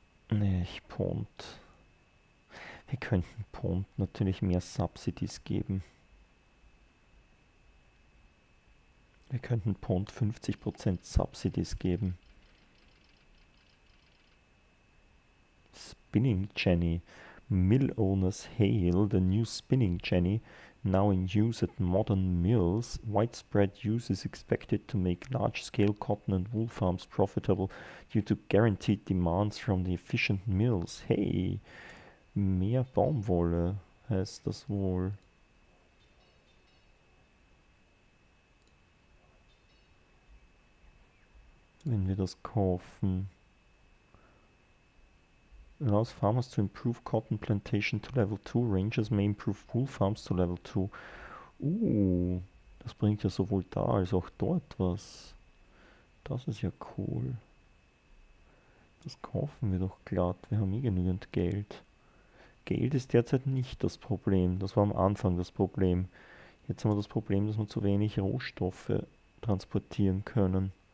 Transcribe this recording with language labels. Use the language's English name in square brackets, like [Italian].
[German] Nee, ich Pond. Wir könnten Pond natürlich mehr Subsidies geben. Wir könnten Pond 50% Subsidies geben. [English] Spinning Jenny. Mill owners hail the new spinning Jenny, now in use at modern mills. Widespread use is expected to make large-scale cotton and wool farms profitable due to guaranteed demands from the efficient mills. [German] Hey, mehr Baumwolle heißt das wohl. Wenn wir das kaufen. [English] Allows farmers to improve cotton plantation to level 2. Rangers may improve wool farms to level 2. [German] Das bringt ja sowohl da als auch dort was. Das ist ja cool. Das kaufen wir doch glatt. Wir haben eh genügend Geld. Geld ist derzeit nicht das Problem. Das war am Anfang das Problem. Jetzt haben wir das Problem, dass wir zu wenig Rohstoffe transportieren können.